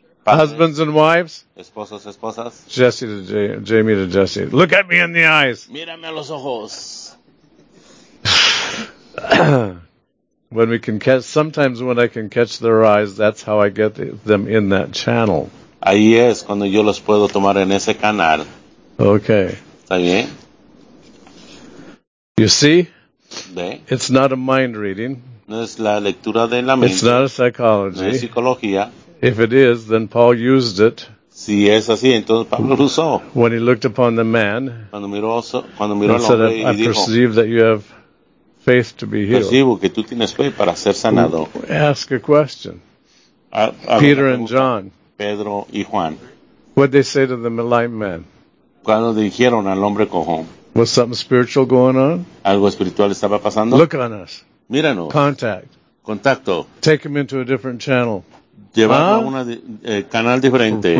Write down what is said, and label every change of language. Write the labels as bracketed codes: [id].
[en] padres, husbands and wives, [es] esposos, esposas. [en] Jesse to Jamie to Jesse, look at me in the eyes. [es] Mírame a los ojos. [en] When we can catch, sometimes when I can catch their eyes, that's how I get them in that channel. [es] Ahí es cuando yo los puedo tomar en ese canal. [en] Okay. [es] ¿Está bien? [en] You see? [es] ¿Ve? [en] It's not a mind reading. [es] No es la lectura de la mente. [en] It's not a psychology. [es] No es psicología. [en] If it is, then Paul used it. [es] Si es así, entonces Pablo lo usó. [en] When he looked upon the man, [es] cuando miró al hombre, [en] said, I perceive that you have faith to be healed. [es] Percibo que tú tienes fe para ser sanado. [en] Ask a question. [es] A [en] Peter and John. [es] Pedro y Juan. [en] What did they say to the blind man? [es] Cuando dijeron al hombre cojo. [en] Was something spiritual going on? [es] Algo espiritual estaba pasando. [en] Look on us. [es] Míranos. [en] Contact. [es] Contacto. [en] Take him into a different channel. [es] Llevarlo a un canal diferente.